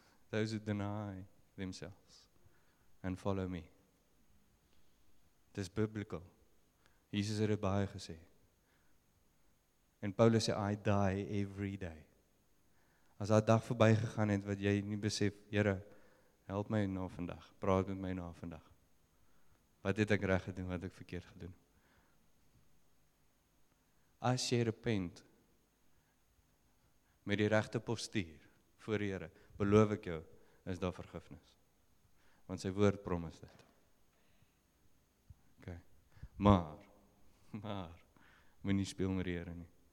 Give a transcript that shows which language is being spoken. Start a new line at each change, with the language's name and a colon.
English: Those who deny themselves and follow me.
Afrikaans: Dit is biblical. Jesus het dit baie gesê. En Paulus sê,
English: I die every day.
Afrikaans: As daai dag verby gegaan het, wat jy nie besef, Here, help my na vandag. Praat met my na vandag. Wat het ek reg gedoen, wat ek verkeerd gedoen? As jy repent, met die regte postuur, voor die Here, beloof ek jou, is daar vergifnis. Want sy woord promise dit. Maar, moet nie speel met die Here nie.